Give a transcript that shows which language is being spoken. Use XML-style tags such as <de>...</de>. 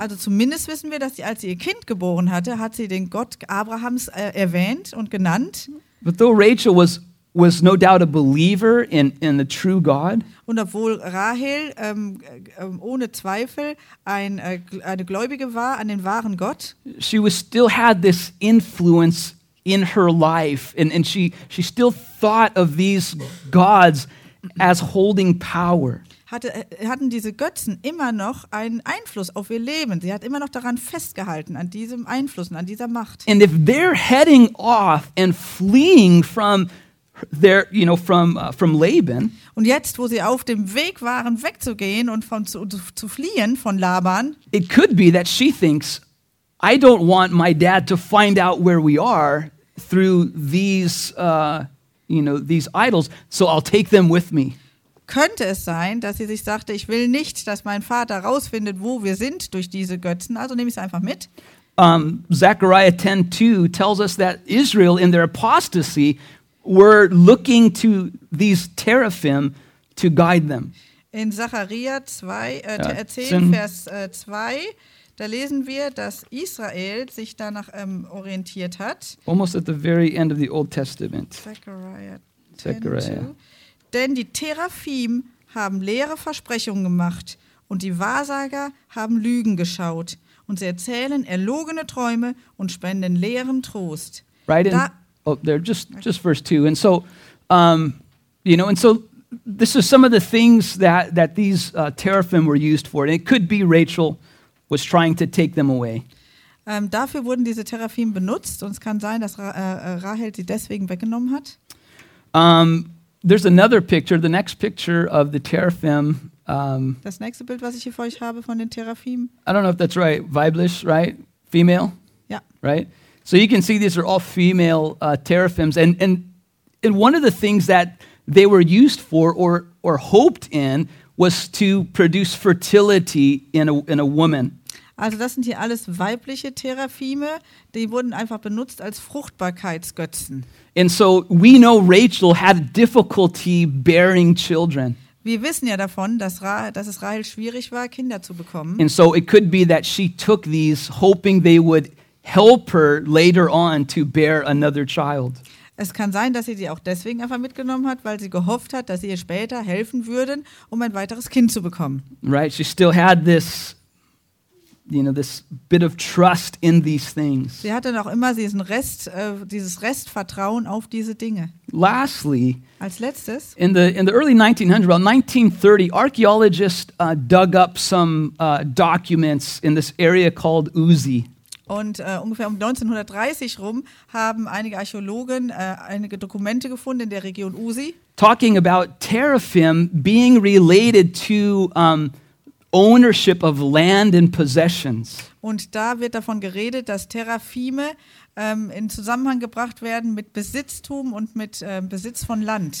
<de>Also zumindest wissen wir, dass sie, als sie ihr Kind geboren hatte, hat sie den Gott Abrahams erwähnt und genannt.</de> <en>But though Rachel was no doubt a believer in the true God.</en> <de>Und obwohl Rahel ohne Zweifel eine Gläubige war an den wahren Gott,</de> <en>she was still had this influence in her life, and she still thought of these gods as holding power.</en> <de>Hatten diese Götzen immer noch einen Einfluss auf ihr Leben? Sie hat immer noch daran festgehalten, an diesem Einfluss und an dieser Macht.</de> <en>And if they're heading off and fleeing from there, you know, from Laban.</en> <de>Und jetzt, wo sie auf dem Weg waren, wegzugehen und zu fliehen von Laban.</de> <en>It could be that she thinks, I don't want my dad to find out where we are through these, you know, these idols. So I'll take them with me.</en> <de>Könnte es sein, dass sie sich sagte, ich will nicht, dass mein Vater rausfindet, wo wir sind durch diese Götzen. Also nehme ich es einfach mit.</de> <en>Zechariah 10:2 tells us that Israel in their apostasy were looking to these teraphim to guide them.</en> <de>In Zechariah 10, Vers 2, da lesen wir, dass Israel sich danach orientiert hat.</de> <en>Almost at the very end of the Old Testament. Zechariah 10:2.</en> <de>Denn die Teraphim haben leere Versprechungen gemacht und die Wahrsager haben Lügen geschaut und sie erzählen erlogene Träume und spenden leeren Trost.</de> <en>Right in, just verse 2. And so, you know, and so this is some of the things that these teraphim were used for. And it could be Rachel was trying to take them away.</en> <de>Dafür wurden diese Teraphim benutzt und es kann sein, dass Rahel sie deswegen weggenommen hat.</de> <en>There's another picture, the next picture of the teraphim.</en> <de>Das nächste Bild, was ich hier für euch habe von den Teraphim.</de> <en>I don't know if that's right.</en> <de>Weiblich,</de> <en>right? Female? Yeah. Right? So you can see these are all female teraphims. And one of the things that they were used for or hoped in was to produce fertility in a woman.</en> <de>Also das sind hier alles weibliche Teraphime, die wurden einfach benutzt als Fruchtbarkeitsgötzen.</de> <en>And so we know Rachel had difficulty bearing children.</en> <de>Wir wissen ja davon, dass es Rahel schwierig war, Kinder zu bekommen.</de> <en>And so it could be that she took these hoping they would help her later on to bear another child.</en> <de>Es kann sein, dass sie die auch deswegen einfach mitgenommen hat, weil sie gehofft hat, dass sie ihr später helfen würden, um ein weiteres Kind zu bekommen.</de> <en>Right, she still had this, you know, this bit of trust in these things.</en> <de>Sie hatte noch immer diesen Rest, dieses Restvertrauen auf diese Dinge.</de> <en>Lastly,</en> <de>als letztes,</de> <en>in the early 1900s, about 1930, archaeologists dug up some documents in this area called Uzi.</en> <de>Und ungefähr um 1930 rum haben einige Archäologen einige Dokumente gefunden in der Region Uzi.</de> <en>Talking about teraphim being related to ownership of land and possessions.</en> <de>Und da wird davon geredet, dass Teraphime in Zusammenhang gebracht werden mit Besitztum und mit Besitz von Land.</de>